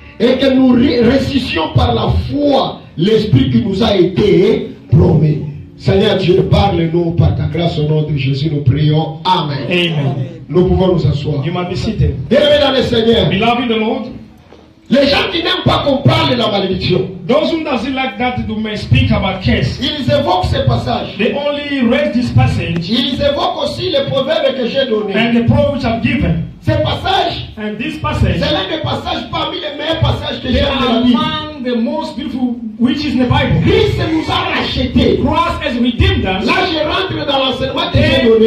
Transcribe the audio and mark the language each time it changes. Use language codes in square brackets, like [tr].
[fr] Et que nous résistions par la foi. L'esprit qui nous a été promis. Seigneur Dieu, parle-nous par ta grâce au nom de Jésus, nous prions. Amen. Amen. Nous pouvons nous asseoir. [en] You may be seated. [fr] Bienvenue dans le Seigneur. [en] Beloved in the Lord. [fr] Les gens qui n'aiment pas qu'on parle de la malédiction. [en] Those who doesn't like that to may speak about curse. [fr] Ils évoquent ce passage. [en] They only raise this passage. [fr] Ils évoquent aussi les proverbes que j'ai donné. [en] And the proverbs which I've given. [fr] Ce passage. [en] And this passage. [fr] C'est l'un des passages parmi les meilleurs passages que j'ai donné. [en] The most beautiful which is in the Bible. [fr] Christ nous a racheté. [en] Christ has redeemed us. [fr] Là je rentre dans l'enseignement que j'ai donné.